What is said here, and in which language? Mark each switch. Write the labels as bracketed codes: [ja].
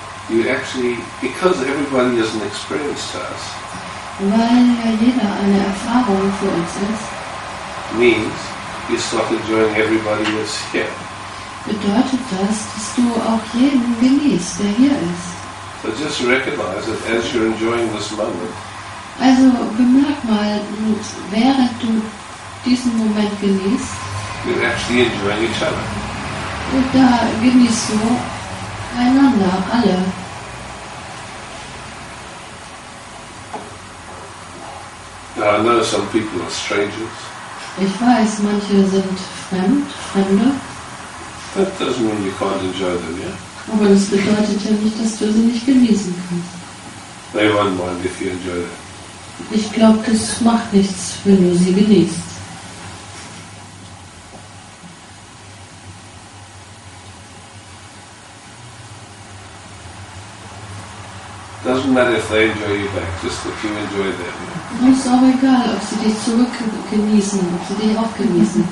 [en] you actually, because everybody is an experience to us, [de] weil ja jeder eine Erfahrung für uns ist, [en] means you start enjoying everybody who's here. [de] Bedeutet das, dass du auch jeden genießt, der hier ist. [en] So just recognize that as you're enjoying this moment. [de] Also bemerk mal, während du diesen Moment genießt, [en] you're actually enjoying each other. [de] Und da genießt du einander, alle. [en] Now I know some people are strangers. [de] Ich weiß, manche sind Fremde. [en] That doesn't mean you can't enjoy them, yeah? [de] Aber das bedeutet ja nicht, dass du sie nicht genießen kannst. [en] They won't mind if you enjoy them. [de] Ich glaube, das macht nichts, wenn du sie genießt. [en] Doesn't matter if they enjoy you back, just that you enjoy them. [de] Es ist auch egal, ob sie dich zurück genießen, ob sie dich auch genießen.